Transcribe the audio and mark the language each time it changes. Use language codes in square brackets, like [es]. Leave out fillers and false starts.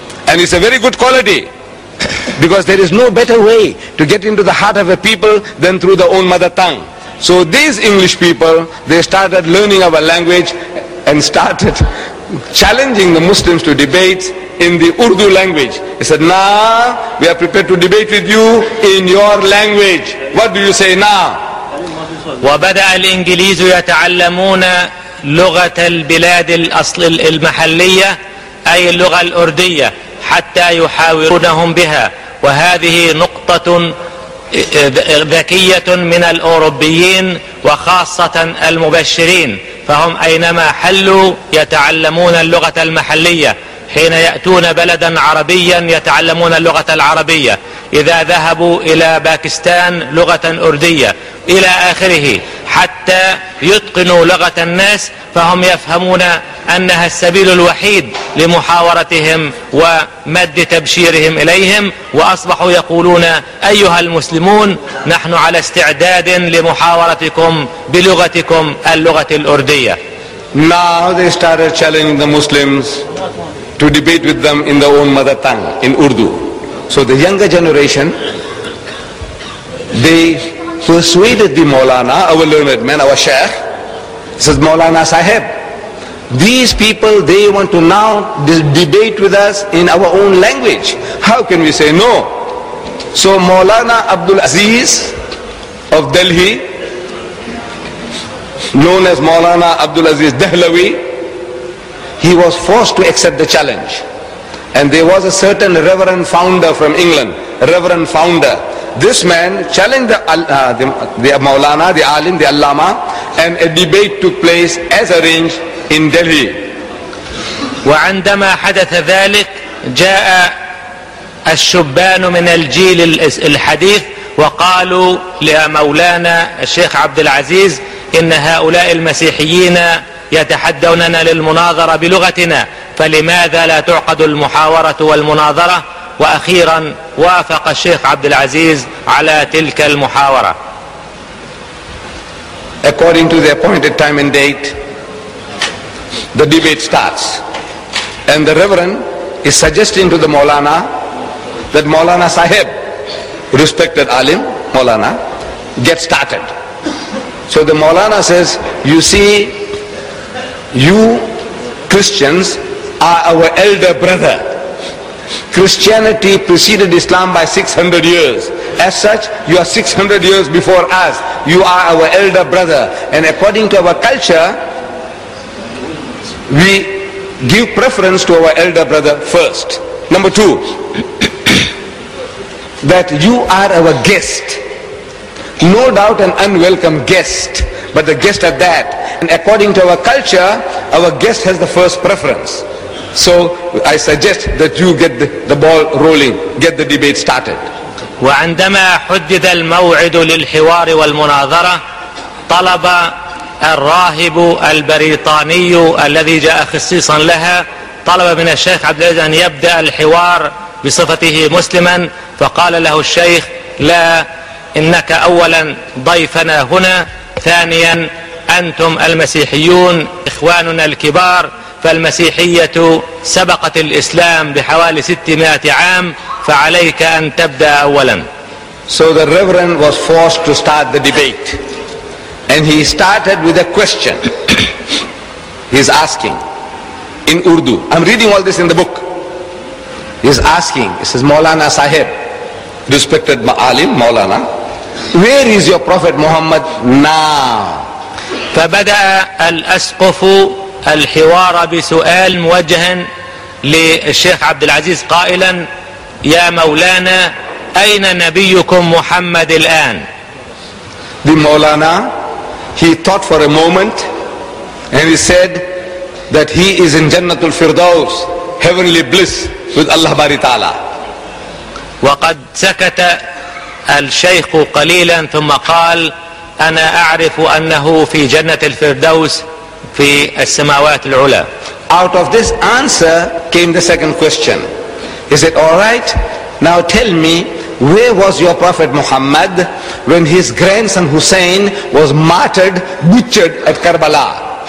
[en] And it's a very good quality. Because there is no better way to get into the heart of a people than through their own mother tongue. So these English people, they started learning our language and started challenging the Muslims to debate in the Urdu language. He said, "Nah, we are prepared to debate with you in your language. What do you say now?" [ar] وبدأ الإنجليز يتعلمون لغة البلاد الأصل المحلية أي اللغة الأردية حتى يحاورونهم بها، وهذه نقطة ذكية من الأوروبيين وخاصة المبشرين، فهم أينما حلوا يتعلمون اللغة المحلية، حين يأتون بلدا عربيا يتعلمون اللغة العربية، إذا ذهبوا إلى باكستان لغة أردية إلى آخره، حتى يتقنوا لغة الناس، فهم يفهمون أنها السبيل الوحيد لمحاورتهم ومد تبشيرهم إليهم، وأصبحوا يقولون: أيها المسلمون، نحن على استعداد لمحاورتكم بلغتكم اللغة الأردية. [en] Now they started challenging the Muslims to debate with them in their own mother tongue, in Urdu. So the younger generation, they persuaded the Maulana, our learned man, our Sheikh, says, "Maulana Sahib, these people, they want to now debate with us in our own language. How can we say no?" So Maulana Abdul Aziz of Delhi, known as Maulana Abdul Aziz Dehlawi, he was forced to accept the challenge. And there was a certain Reverend Founder from England, Reverend Founder. This man challenged the Maulana, the Alim, the Allama, and a debate took place as arranged in Delhi. [ar] وعندما حدث ذلك جاء الشبان من الجيل الحديث وقالوا لمولانا الشيخ عبد العزيز إن هؤلاء المسيحيين يتحدوننا للمناظرة بلغتنا، فلماذا لا تعقد المحاورة والمناظرة؟ وأخيرا وافق الشيخ عبد العزيز على تلك المحاورة. [en] According to the appointed time and date, the debate starts. And the Reverend is suggesting to the Maulana that Maulana Sahib, respected Alim, Maulana, get started. So the Maulana says, you see, you Christians are our elder brother. Christianity preceded Islam by 600 years. As such, you are 600 years before us. You are our elder brother. And according to our culture, we give preference to our elder brother first. Number two, that you are our guest. No doubt an unwelcome guest, but the guest at that. And according to our culture, our guest has the first preference. So I suggest that you get the ball rolling, get the debate started. [ar] وعندما حدد الموعد للحوار والمناظرة طلب الراهب البريطاني الذي جاء خصيصا لها طلب من الشيخ عبد العزيز أن يبدأ الحوار بصفته مسلما، فقال له الشيخ لا، إنك أولا ضيفنا هنا، ثانيا أنتم المسيحيون إخواننا الكبار، فالمسيحية سبقت الإسلام بحوالي 600 عام، فعليك أن تبدأ أولا. [en] So the Reverend was forced to start the debate. And he started with a question. He's asking in Urdu. I'm reading all this in the book. He's asking, he says, Maulana Sahib, respected Alim, Maulana, where is your Prophet Muhammad now? [ar] فبدأ الأسقف الحوار بسؤال موجه للشيخ عبد العزيز قائلا يا مولانا أين نبيكم محمد الآن؟ [en] The Maulana, he thought for a moment and he said that he is in Jannatul Firdaus, heavenly bliss with Allah Bari Ta'ala. [ar] وقد سكت الشيخ قليلا ثم قال أنا أعرف أنه في جنة الفردوس في السماوات العلى. [en] Out of this answer came the second question. He said, all right, now tell me, where was your Prophet Muhammad when his grandson Hussein was martyred, butchered at Karbala?